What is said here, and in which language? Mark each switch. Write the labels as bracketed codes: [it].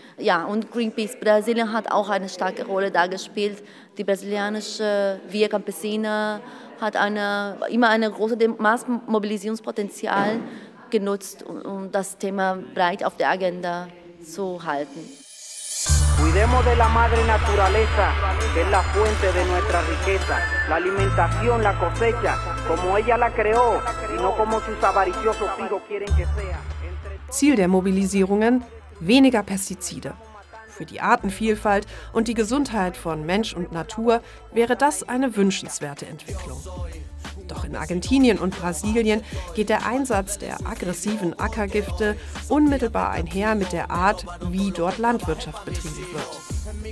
[de] Ja, und Greenpeace Brasilien hat auch eine starke Rolle da gespielt. Die brasilianische Via Campesina hat immer ein großes Massmobilisierungspotenzial genutzt, um das Thema breit auf der Agenda zu halten. [es] Cuidemos de la madre naturaleza, que es la fuente de nuestra riqueza, la alimentación, la cosecha, como ella la creó, y no como sus avariciosos hijos quieren que sea. [de] Ziel der Mobilisierungen: weniger Pestizide. Für die Artenvielfalt und die Gesundheit von Mensch und Natur wäre das eine wünschenswerte Entwicklung. Doch in Argentinien und Brasilien geht der Einsatz der aggressiven Ackergifte unmittelbar einher mit der Art, wie dort Landwirtschaft betrieben wird.